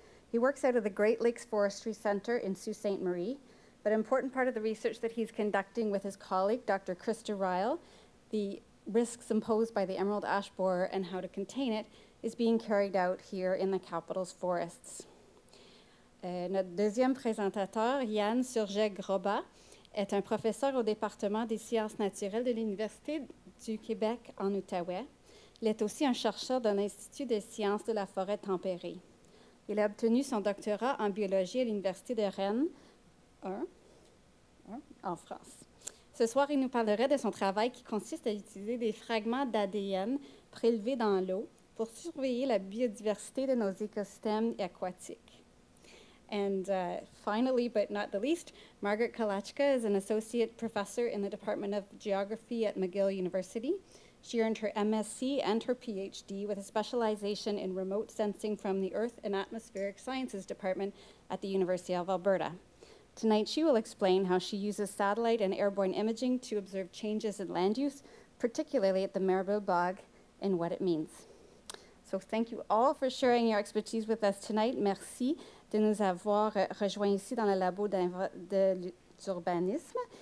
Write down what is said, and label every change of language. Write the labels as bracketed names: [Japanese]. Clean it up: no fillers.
[English] He works out of the Great Lakes Forestry Centre in Sault Ste. Marie, but an important part of the research that he's conducting with his colleague, Dr. Krista Ryle, the risks imposed by the emerald ash borer and how to contain it, is being carried out here in the capital's forests. [French] Notre deuxième présentateur, Yann Surget-Groba, est un professeur au département des sciences naturelles de l'Université du Québec en Outaouais. Il est aussi un chercheur de l'Institut des sciences de la forêt tempérée. Il a obtenu son doctorat en biologie à l'Université de Rennes, en France. Ce soir, il nous parlerait de son travail qui consiste à utiliser des fragments d'ADN prélevés dans l'eau pour surveiller la biodiversité de nos écosystèmes aquatiques. [English] And finally, but not the least, Margaret Kalachka is an associate professor in the Department of Geography at McGill University. She earned her MSc and her PhD with a specialization in remote sensing from the Earth and Atmospheric Sciences Department at the University of Alberta. Tonight, she will explain how she uses satellite and airborne imaging to observe changes in land use, particularly at the Marabou Bog, and what it means. So thank you all for sharing your expertise with us tonight. [French] Merci de nous avoir rejoints ici dans le labo d'urbanisme.